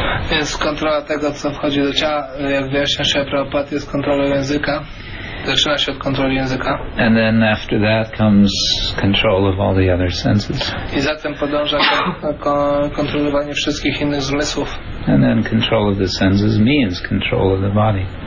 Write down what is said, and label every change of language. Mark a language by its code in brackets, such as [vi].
[pl] Więc kontrola tego, co wchodzi do ciała, jak wyjaśnia się Prabhupada, jest kontrolą języka. Zaczyna się od kontroli języka. [en] And then after that comes control of all the other senses. [pl] I zatem podąża kontrolowanie wszystkich innych zmysłów. [en] And then control of the senses means control of the body.